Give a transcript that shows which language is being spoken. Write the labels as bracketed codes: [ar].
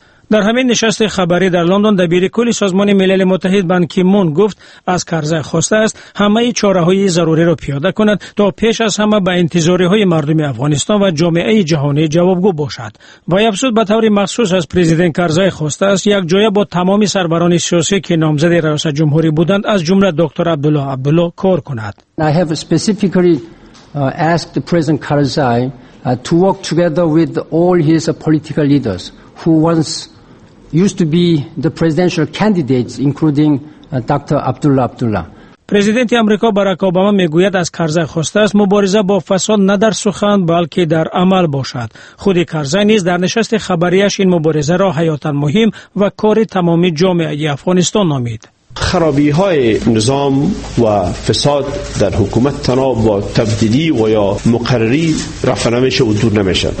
[fa] در همین نشست خبری در لندن دبیر کل سازمان ملل متحد بان کی مون گفت از کرزی خواسته است همه چاره های ضروری را پیاده کند تا پیش از همه به انتظاری های مردم افغانستان و جامعه جهانی جوابگو باشد. و افزود به طور مخصوص از پرزیدنت کرزی خواسته است یک جای با تمام سروران سیاسی که نامزد رئیس جمهوری بودند از جمله دکتر عبدالله عبدالله کار کند. [en] I have specifically asked President Karzai to work together with all his political leaders who once used to be the presidential candidates, including Dr. Abdullah Abdullah. [fa] پرزیدنت آمریکا براک اوباما میگوید از کرزی خواسته است مبارزه با فساد نه در سخن بلکه در عمل باشد. خود کرزی نیز در نشست خبریش این مبارزه را حیاتاً مهم و کار تمامی جامعه افغانستان نامید. خرابی های نظام و فساد در حکومت تناب با تبدیلی و یا مقرری رفع نمیشه و دور نمیشه.